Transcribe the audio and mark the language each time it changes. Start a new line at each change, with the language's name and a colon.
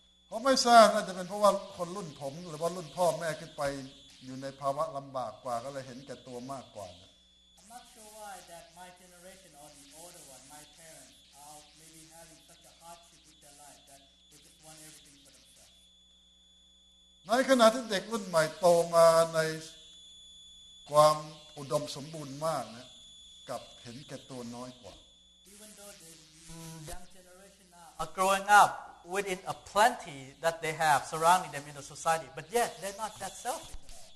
Thai: ผมไม่ทราบน่าจะเป็นเพราะว่าคนรุ่นผมหรือว่ารุ่นพ่อแม่ขึ้นไปอยู่ในภาวะลำบากกว่าก็เลยเห็นแก่ตัวมากกว่านะ
English: I'm not sure why that my generation or the older one, my parents, are maybe having such a hardship with their life that they just want everything for themselves.
Thai: ในขณะที่เด็กรุ่นใหม่โตมาในความอุดมสมบูรณ์มากนะกับเห็นแก่ตัวน้อยกว่า
English: Even though the young generation now are growing up within a plenty that they have surrounding them in the society, but yet they're not that selfish